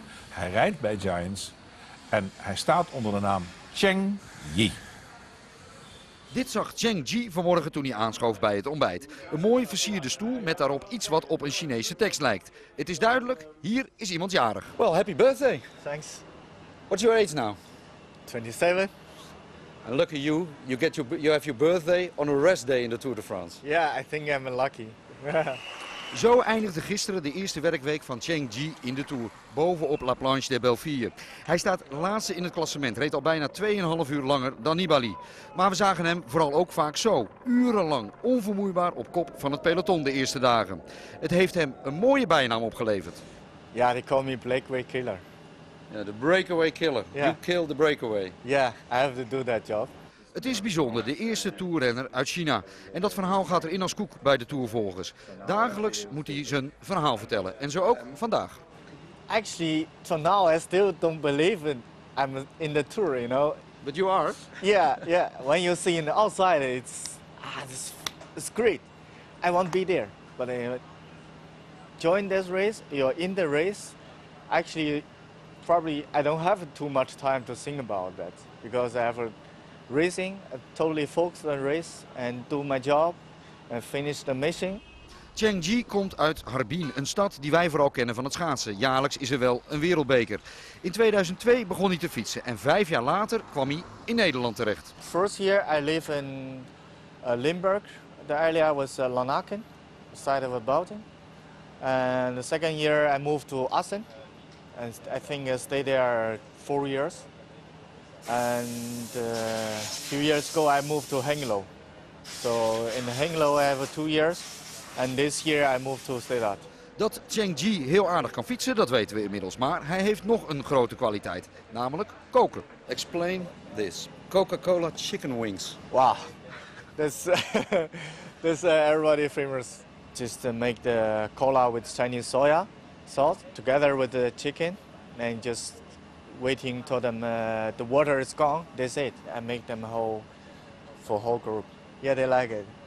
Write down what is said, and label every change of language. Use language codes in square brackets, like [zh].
[nl] Hij rijdt bij Giants en hij staat onder de naam Cheng Yi. Dit zag Cheng Yi vanmorgen toen hij aanschoof bij het ontbijt. Een mooi versierde stoel met daarop iets wat op een Chinese tekst lijkt. Het is duidelijk, hier is iemand jarig. [en] Well, happy birthday. Thanks. What's your age now? 27. And look at you, you have your birthday on a rest day in the Tour de France. Yeah, I think I'm lucky. [nl] Zo eindigde gisteren de eerste werkweek van Cheng Yi in de Tour, bovenop La Planche des Belles-Filles. Hij staat laatste in het klassement, reed al bijna 2,5 uur langer dan Nibali. Maar we zagen hem vooral ook vaak zo, urenlang, onvermoeibaar op kop van het peloton de eerste dagen. Het heeft hem een mooie bijnaam opgeleverd. Ja, [en] yeah, they call me Breakaway Killer. [nl] Ja, [en] yeah, the Breakaway Killer. Yeah. You kill the breakaway. Yeah, I have to do that job. [nl] Het is bijzonder, de eerste toerrenner uit China. En dat verhaal gaat erin als koek bij de toervolgers. Dagelijks moet hij zijn verhaal vertellen. En zo ook vandaag. [en] Actually, till now I still don't believe it. I'm in the tour, you know. But you are. Yeah, yeah. When you see in the outside, it's great. I won't be there. But join this race, you're in the race. Actually, probably I don't have too much time to think about that. Because I have a... Racing, totally focused on race and do my job and finish the mission. [nl] Cheng Yi komt uit Harbin, een stad die wij vooral kennen van het schaatsen. Jaarlijks is er wel een wereldbeker. In 2002 begon hij te fietsen en 5 jaar later kwam hij in Nederland terecht. [en] First year I live in Limburg. The area was Lanaken, side of Bouten. And the second year I moved to Assen. And I think I stayed there 4 years. And a few years ago I moved to Hengelo. So in Hengelo I have 2 years and this year I moved to Stuttgart. [nl] Dat Cheng Yi heel aardig kan fietsen, dat weten we inmiddels, maar hij heeft nog een grote kwaliteit, namelijk koken. [en] Explain this. Coca-Cola chicken wings. Wow. This everybody famous just to make the cola with Chinese soya salt together with the chicken and just waiting till them the water is gone, that's it. I make them whole for whole group. Yeah, they like it.